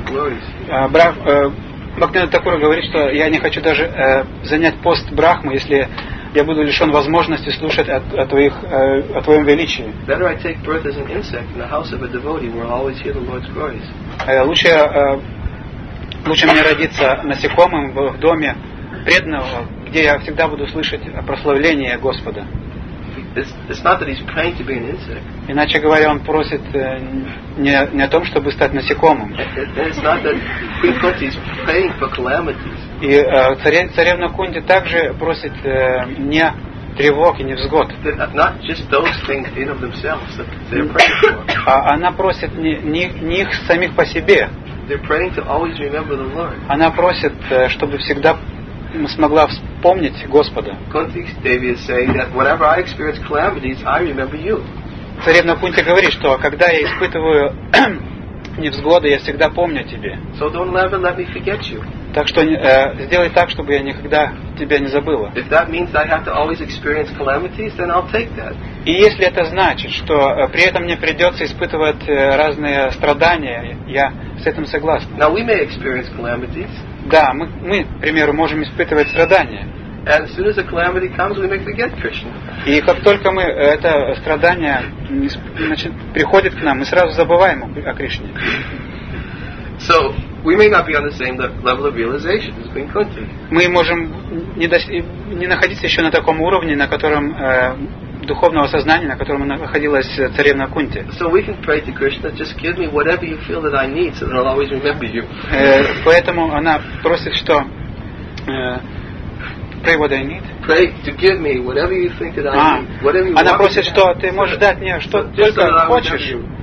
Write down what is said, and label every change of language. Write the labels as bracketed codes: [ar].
[ru] Бхактивинода Такура говорит, что я не хочу даже занять пост Брахмы, если я буду лишен возможности слушать о твоем величии. Лучше мне родиться насекомым в доме преданного, где я всегда буду слышать прославление Господа. [en] It's not that he's praying to be an insect. [ru] Иначе говоря, он просит не о том, чтобы стать насекомым. [en] It's not that Queen Kunti is praying for calamities. [ru] И царевна Кунти также просит не тревог и невзгод. [en] Not just those things in of themselves that they're praying for. [ru] А она просит не их самих по себе. [en] They're praying to always remember the Lord. [ru] Она просит, чтобы всегда смогла вспомнить Господа. [en] Kunti's Devi is saying that whenever I experience calamities, I remember you. [ru] Царевна Кунти говорит, что когда я испытываю невзгоды, я всегда помню о тебе. [en] So don't ever let me forget you. [ru] Так что сделай так, чтобы я никогда тебя не забыла. [en] If that means I have to always experience calamities, then I'll take that. [ru] И если это значит, что при этом мне придется испытывать разные страдания, я с этим согласна. [en] Now we may experience calamities. [ru] Да, мы, к примеру, можем испытывать страдания. [en] And as soon as a calamity comes, we may forget Krishna. [ru] И как только мы это страдание значит, приходит к нам, мы сразу забываем о Кришне. [en] So we may not be on the same level of realization as Queen Kunti. [ru] Мы можем не находиться еще на таком уровне, на котором духовного сознания, на котором находилась царевна Кунти. [en] So we can pray to Krishna, just give me whatever you feel that I need, so that I'll always remember you. [ru] Поэтому она просит, что [en] pray what I need. Pray to give me whatever you think that I need, whatever you want. [ru] Она просит, что ты можешь дать мне что только хочешь.